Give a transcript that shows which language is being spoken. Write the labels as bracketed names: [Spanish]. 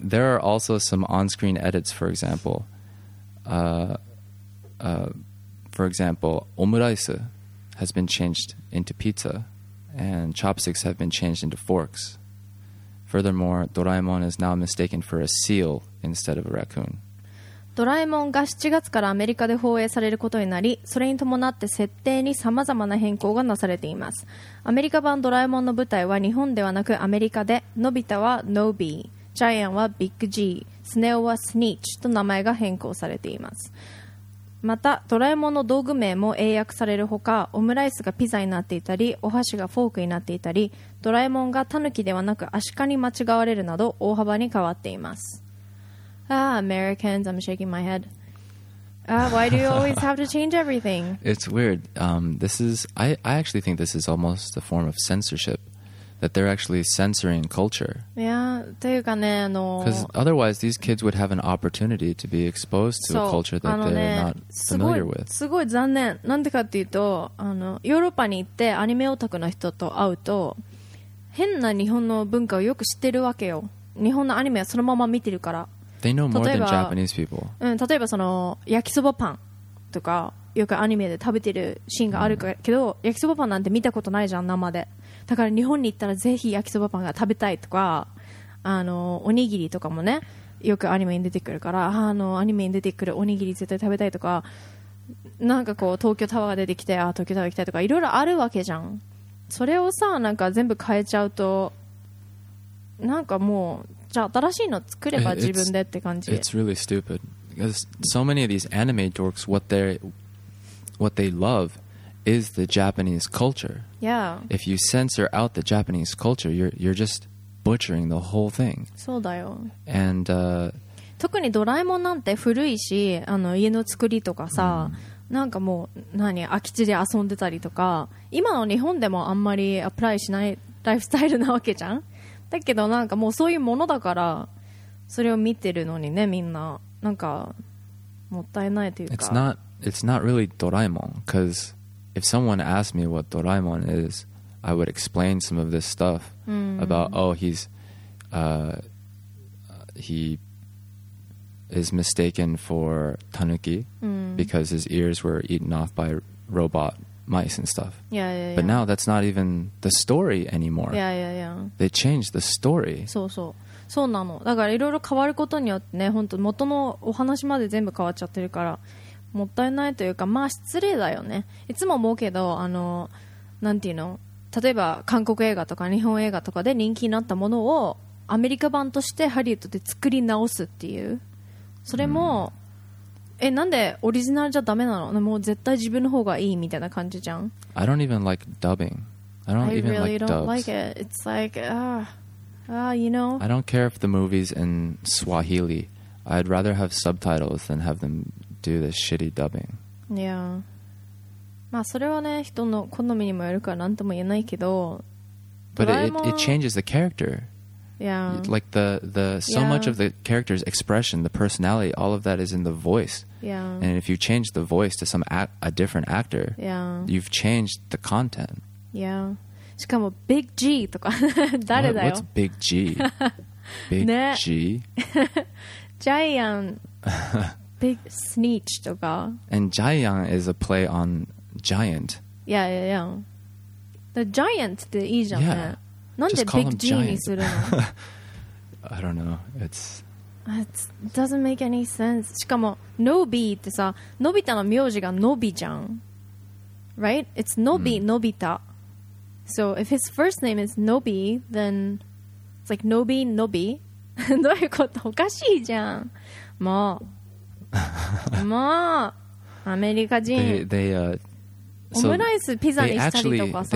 [English] There are also some on-screen edits, for example. For example, omuraisu has been changed into pizza, and chopsticks have been changed into forks. Furthermore, Doraemon is now mistaken for a seal instead of a raccoon. [Japanese] ドラえもんが7月からアメリカで放映されることになり、それに伴って設定に様々な変更がなされています。アメリカ版ドラえもんの舞台は日本ではなくアメリカで、のび太はノービー、ジャイアンはビッグ G、 スネオはスニーチと名前が変更されています。またドラえもんの道具名も英訳されるほか、オムライスがピザになっていたり、お箸がフォークになっていたり、ドラえもんがタヌキではなくアシカに間違われるなど大幅に変わっています。 [English] Ah, Americans, I'm shaking my head. Why do you always have to change everything? It's weird. I actually think this is almost a form of censorship, that they're actually censoring culture. [Japanese] Yeah, というかね、 [English] Because otherwise, these kids would have an opportunity to be exposed to a culture that they're not familiar with. [Japanese] すごい残念。なんでかっていうと、ヨーロッパに行ってアニメオタクの人と会うと、変な日本の文化をよく知ってるわけよ。日本のアニメはそのまま見てるから。 [English] They know more than Japanese people. [Japanese] 例えばその焼きそばパンとかよくアニメで食べてるシーンがあるけど、焼きそばパンなんて見たことないじゃん生で。だから日本に行ったらぜひ焼きそばパンが食べたいとか、おにぎりとかもねよくアニメに出てくるから、アニメに出てくるおにぎり絶対食べたいとか、なんかこう東京タワーが出てきて、あ、東京タワー行きたいとか、いろいろあるわけじゃん。それをさ、なんか全部変えちゃうと、なんかもう、じゃあ新しいの作れば自分でって感じ。 [English] It's really stupid. Because so many of these anime dorks, what they love is the Japanese culture. Yeah. If you censor out the Japanese culture, you're just butchering the whole thing. [Japanese] そうだよ。 [English] And, [Japanese] 特にドラえもんなんて古いし、家の作りとかさ、なんかもう何、空き地で遊んでたりとか、今の日本でもあんまりアプライしないライフスタイルなわけじゃん。だけどなんかもうそういうものだから、それを見てるのにね、みんななんかもったいないというか。 [English] It's not really Doraemon, because if someone asked me what Doraemon is, I would explain some of this stuff about, oh, he is mistaken for Tanuki because his ears were eaten off by robot. Mice and stuff. Yeah, yeah, yeah. But now that's not even the story anymore. Yeah, yeah, yeah. They changed the story. [Japanese] そうそう。そうなの。だからいろいろ変わることによってね、本当元のお話まで全部変わっちゃってるから、もったいないというか、まあ失礼だよね。いつも思うけど、なんていうの、例えば韓国映画とか日本映画とかで人気になったものをアメリカ版としてハリウッドで作り直すっていう、それも、なんでオリジナルじゃダメなの？もう絶対自分の方がいいみたいな感じじゃん。 [English] I don't even like dubbing. I don't even like dubs. I really don't like it. It's like, you know? I don't care if the movie's in Swahili. I'd rather have subtitles than have them do this shitty dubbing. Yeah. [Japanese] まあそれはね、人の好みにもよるからなんとも言えないけど、 [English] But it changes the character. Yeah. Like the so yeah. much of the character's expression, the personality, all of that is in the voice. Yeah. And if you change the voice to some a different actor, yeah. you've changed the content. Yeah. [Japanese] しかもビッグ G とか誰だよ。 [English] What's Big G? Big G? [Japanese] ジャイアン。Big Snitch とか。 [English] And Giant is a play on giant. Yeah, yeah, yeah. The giant [Japanese] っていいじゃんね。 [English] Yeah. [Japanese] なんで [English] Big [Japanese] G にするの？ [English] I don't know. It's... It doesn't make any sense. [Japanese] しかも、ノビーってさ、のび太の名字がノビじゃん。 [English] Right? It's [Japanese] ノビ、ノビタ。 [English] So, if his first name is ノビ, then it's like ノビ、ノビ。 [Japanese] どういうこと？おかしいじゃん。もう。もう。アメリカ人。オムライス、ピザにしたりとかさ。